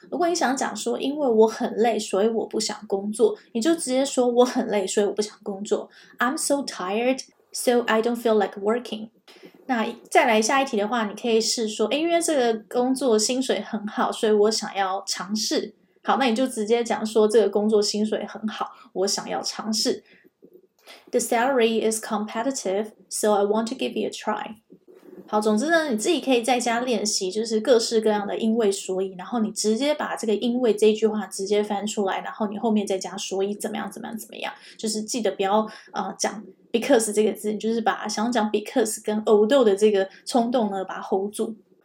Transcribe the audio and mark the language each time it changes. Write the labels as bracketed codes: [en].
[zh] 如果你想讲说因为我很累所以我不想工作，你就直接说我很累所以我不想工作， [en] I'm so tiredSo I don't feel like working。 [zh] 那再来下一题的话，你可以试说，因为这个工作薪水很好，所以我想要尝试。好，那你就直接讲说这个工作薪水很好，我想要尝试。 [en] The salary is competitive, so I want to give you a try。 [zh] 好，总之呢，你自己可以在家练习，就是各式各样的因为所以，然后你直接把这个因为这句话直接翻出来，然后你后面再加所以怎么样怎么样怎么样，就是记得不要讲because 这个字，就是把想讲 because 跟 although 的这个冲动呢把它 hold 住。